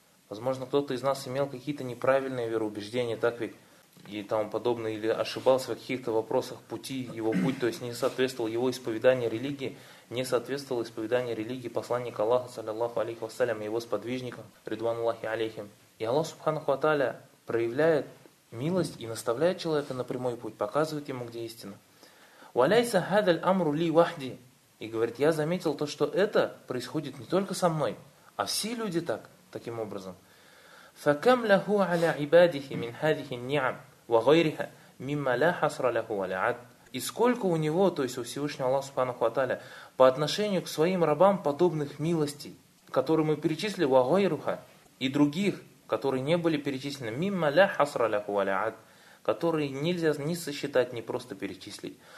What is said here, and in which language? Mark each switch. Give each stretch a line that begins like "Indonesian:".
Russian: Возможно, кто-то из нас имел какие-то неправильные вероубеждения, так ведь, и тому подобное, или ошибался в каких-то вопросах пути, его путь, то есть не соответствовал его исповедание религии, не соответствовало исповедание религии посланника Аллаха, саллиллаху алейхи вассалям, и его сподвижникам, ридуанулахи алейхим. И Аллах Субханаху Ва-Тааля проявляет милость и наставляет человека на прямой путь, показывает ему, где истина.
Arabic: «Валяйса хадаль амру ли вахди?»
Russian: — и говорит: «Я заметил то, что это происходит не только со мной, а все люди так». Таким образом,
Arabic: فَكَمْ لَهُ عَلَى عِبَادِهِ مِنْ هَذِهِ النِّعَمْ وَغَيْرِهَا مِمَّا لَا حَصْرَ لَهُ عَلَى عَدْ.
Russian: И сколько у него, то есть у Всевышнего Аллаха Субханаху Ва-Тааля, по отношению к своим рабам подобных милостей, которые мы перечислили, وَغَيْرُهَا, и других, которые не были перечислены,
Arabic: مِمَّا لَا حَصْرَ لَهُ عَلَى عَدْ,
Russian: которые нельзя ни сосчитать, ни просто перечислить.